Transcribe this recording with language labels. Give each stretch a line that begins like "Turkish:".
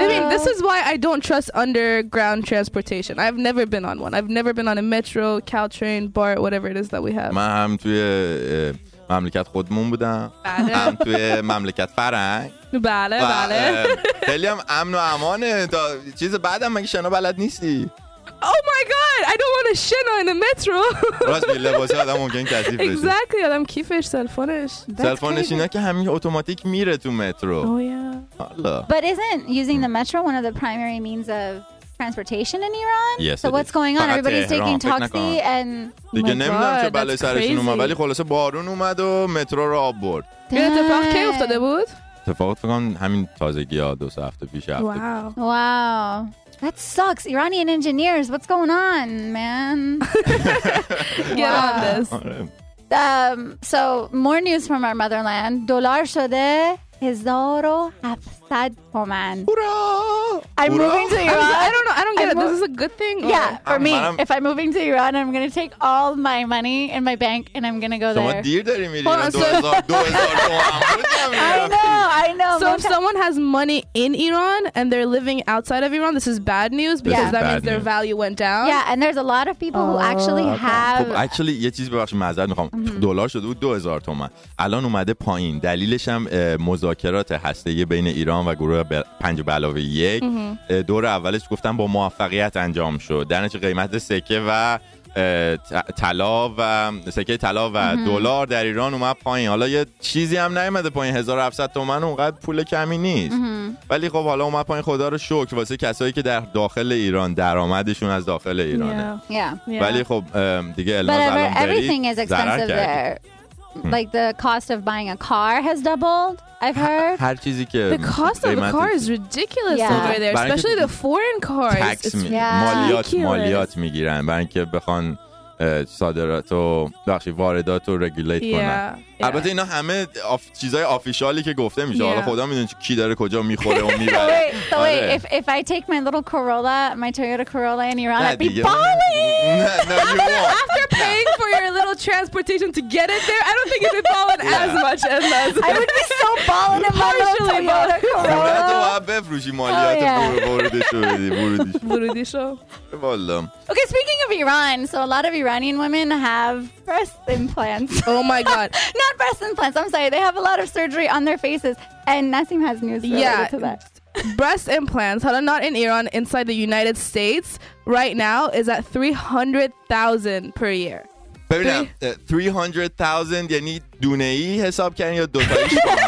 English: I mean, this is why I don't trust underground transportation. I've never been on one. I've never been on a metro, Caltrain, BART, whatever it is that we have.
Persian: من هم توی مملکت خودمون بودم. بله. هم توی مملکت فرنگ. بله بله. خیلی هم امن و امانه. تا چیز بعدم مگه شنا بلد نیستی؟
English: Oh my god, I don't want to shit on the metro.
Persian: راست میگی، لباسه آدم ممکن کثیف بشه. Exactly, آدم کیفش، سلفونش. سلفونش اینا که همین اوتوماتیک میره تو مترو.
English: Oh yeah. But isn't using the metro one of the primary means of transportation in Iran? Yes, so what's going on? Everybody's taking taxi and
Persian: دیگه نمیدونم چه بلای سرشون اومد، ولی خلاصه بارون اومد و مترو رو آب برد. این اتفاق کی افتاده بود؟ اتفاق فکر کنم همین تازگی ها، دو سه هفته پیش.
English: Wow That sucks. Iranian engineers, what's going on, man? Get on this. So more news from our motherland. Dollar
Persian: shode 1700 tuman.
English: Hurrah! I'm moving to Iran. I don't know. I don't get it. This is a good thing. Yeah, for me. If I'm moving to Iran, I'm going to take all my money in my bank and I'm going to go there. Someone dear that you're meeting. 2000 tuman. I know. So if someone has money in Iran and they're living outside of Iran, this is bad news because that means their value went down. Yeah, and there's a lot of people who actually have.
Persian: Actually, یه چیز ببخش معذرت میخوام. دلار شده بود 2000 تومان. الان اومده پایین. دلیلش هم مذاکرات هسته‌ای بین ایران و گروه 5 علاوه 1 دور اولش گفتن با موفقیت انجام شد. درنتیجه قیمت سکه و طلا و سکه طلا و دلار در ایران اومد پایین. حالا یه چیزی هم نیومده پایین، 1700 تومان اونقدر پول کمی نیست. ولی خب حالا اومد پایین، خدا رو شکر واسه کسایی که در داخل ایران درآمدشون از داخل ایرانه. ولی خب دیگه الماز الان
English: Like the cost of buying a car has doubled, I've heard.
Persian: هر چیزی که
English: the cost of a car is ridiculous over there, especially the foreign cars.
Persian: Tax مالیات میگیرن برای اینکه بخوان صادرات و بخشی واردات رو رگولیت کنن. البته اینا همه چیزای آفیشالی که گفته میشه. حالا خدا میدونه کی داره کجا میخوره و میبره.
English: Wait, if I take my little Corolla, my Toyota Corolla in Iran, I'd be balling. After paying for your little transportation to get it there, I don't think you'd be balling as much as us. I would be so balling in my little Toyota Corolla.
Persian: خونه تو باید بفروشی مالیات ورودیشو بدی.
English: Okay, speaking of Iran, so a lot of Iranian women have breast implants. Oh my god. Not breast implants, I'm sorry. They have a lot of surgery on their faces. And Nassim has news related to that. Breast implants, although not in Iran, inside the United States, right now is at 300,000 per year.
Persian: ببینم 300,000 یعنی دونه ای حساب کردن یا دو تایی شما؟